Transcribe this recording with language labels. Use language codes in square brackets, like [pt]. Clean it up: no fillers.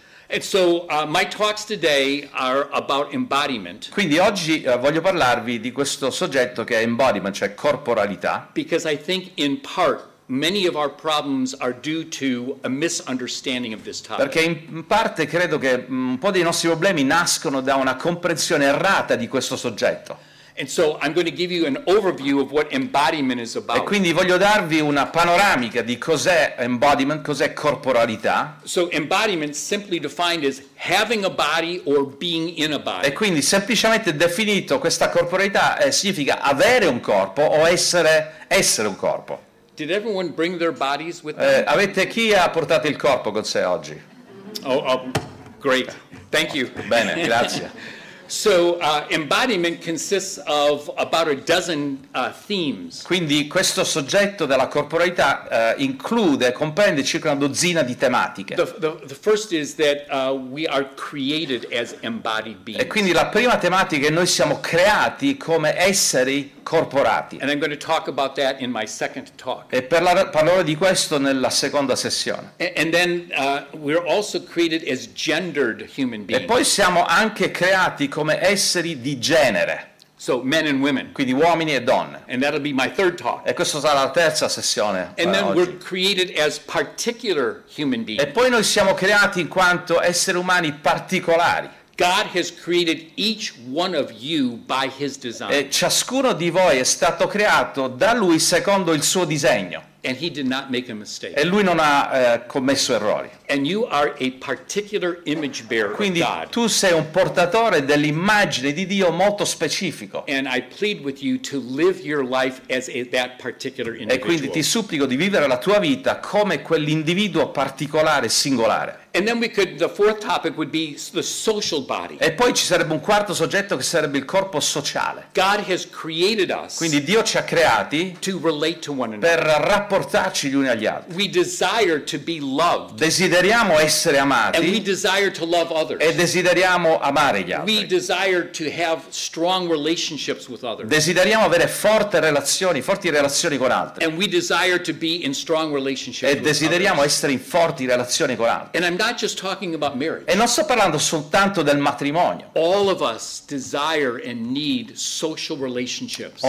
[en] And so my talks today are about embodiment. [it] Quindi oggi voglio parlarvi di questo soggetto che è embodiment, cioè corporalità. [en] Because I think in part many of our problems are due to a misunderstanding of this topic. [it] Perché in parte credo che un po' dei nostri problemi nascono da una comprensione errata di questo soggetto. [en] And so I'm going to give you an overview of what embodiment is about. [it] E quindi voglio darvi una panoramica di cos'è embodiment, cos'è corporalità. [en] So embodiment simply defined as having a body or being in a body. [it] E quindi semplicemente definito questa corporalità significa avere un corpo o essere un corpo. [en] Did everyone bring their bodies with them? [it] Avete chi ha portato il corpo con sé oggi? [en] Oh, great. Thank you. [it] Bene, grazie. [en] So embodiment consists of about a dozen themes. [it] Quindi questo soggetto della corporalità include, comprende circa una dozzina di tematiche. [en] The first is that we are created as embodied beings. [it] E quindi la prima tematica è noi siamo creati come esseri corporati. [en] And I'm going to talk about that in my second talk. [it] E parlerò di questo nella seconda sessione. [en] And then we're also created as gendered human beings. [it] E poi siamo anche creati come esseri di genere. [en] So men and women. [it] Quindi uomini e donne. [en] And that'll be my third talk. [it] E questa sarà la terza sessione. [en] And then [it] oggi [en] we're created as particular human beings. [it] E poi noi siamo creati in quanto esseri umani particolari. [en] God has created each one of you by his design. [it] E ciascuno di voi è stato creato da lui secondo il suo disegno. [en] And he did not make a mistake. [it] E lui non ha commesso errori. [en] And you are a particular image bearer. [it] Quindi [en] of God. [it] Tu sei un portatore dell'immagine di Dio molto specifico. [en] And I plead with you to live your life as that particular individual. [it] E quindi ti supplico di vivere la tua vita come quell'individuo particolare singolare. [en] And then the fourth topic would be the social body. [it] E poi ci sarebbe un quarto soggetto che sarebbe il corpo sociale. [en] God has created us. [it] Quindi Dio ci ha creati [en] to relate to one another. [it] Per rapportarci gli uni agli altri. [en] We desire to be loved. [it] Desideriamo essere amati. [en] And we desire to love others. [it] E desideriamo amare gli altri. [en] We desire to have strong relationships with others. [it] Desideriamo avere forti relazioni con altri. [en] And we desire to be in strong relationships. [it] E desideriamo essere in forti relazioni con altri. [en] And I'm not just talking about marriage. [it] E non sto parlando soltanto del matrimonio. [en] All of us desire and need social relationships.